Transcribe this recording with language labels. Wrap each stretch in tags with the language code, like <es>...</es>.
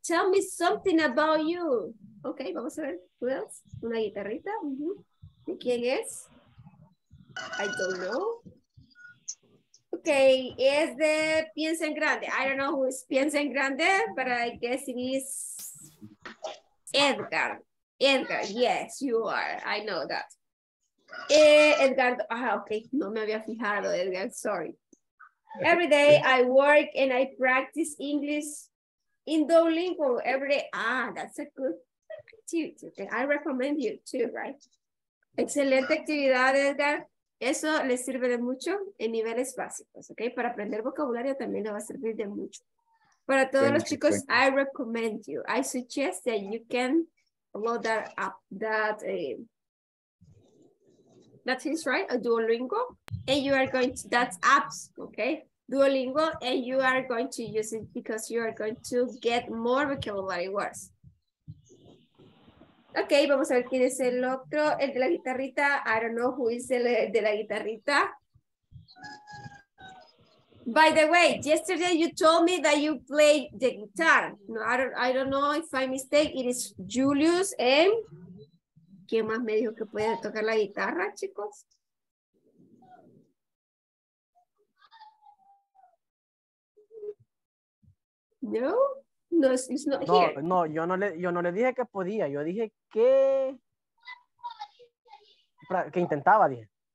<en>Tell me something about you. Ok,</en> <es>vamos a ver.</es> <en>Who else?</en> <es>¿Una guitarrita? Uh-huh. ¿Y quién es?</es> <en>I don't know.</en> <es>Ok, es de Piensa en Grande.</es> <en>I don't know who is Piensa en Grande, but I guess it is Edgar. Edgar, yes, you are. I know that.</en> <es>Edgar, ah, ok, no me había fijado, Edgar, sorry.</es> <en>Every day I work and I practice English in Duolingo. Every day, ah, that's a good activity. Okay. I recommend you too, right?</en> <es>Excelente actividad, Edgar. Eso le sirve de mucho en niveles básicos, ¿ok? Para aprender vocabulario también le va a servir de mucho. Para todos los chicos,</es> <en>I recommend you. I suggest that you can load that up, that is right, a Duolingo. And you are going to, that's apps, okay? Duolingo, and you are going to use it because you are going to get more vocabulary words.</en> <es>Okay, vamos a ver quién es el otro, el de la guitarrita.</es> <en>I don't know who is</en> <es>el de la guitarrita.</es> <en>By the way, yesterday you told me that you play the guitar. No, I don't know if I mistake, it is Julius and...</en> <es>¿Quién más me dijo que puede tocar la guitarra, chicos? No, yo no le dije que podía, yo dije que intentaba, dije.</es>